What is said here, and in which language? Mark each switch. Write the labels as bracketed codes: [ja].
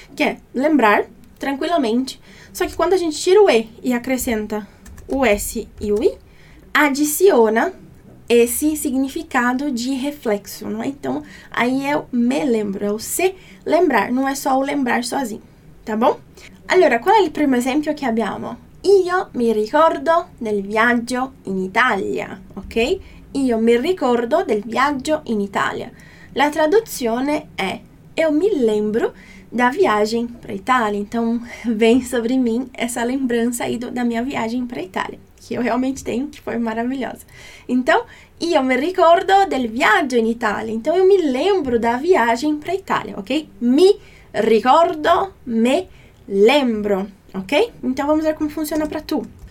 [pt] Que é lembrar tranquilamente. Só que quando a gente tira o e acrescenta o s e o i, adiciona esse significado de reflexo, não é? Então, aí eu me lembro, é o se lembrar, não é só o lembrar sozinho, tá bom? Allora, qual é o primeiro exemplo que abbiamo? [it] Io mi ricordo del viaggio in Italia, ok? Io mi ricordo del viaggio in Italia. La traduzione è: [pt] eu me lembro da viagem para Itália. Então, vem sobre mim essa lembrança aí da minha viagem para Itália. Que eu realmente tenho, que foi maravilhosa. [it] Então, io mi ricordo del viaggio in Italia. [pt] Então, eu me lembro da viagem para Itália, ok? [it] Mi ricordo, [pt] me lembro, ok? Então, vamos ver como funciona para tu.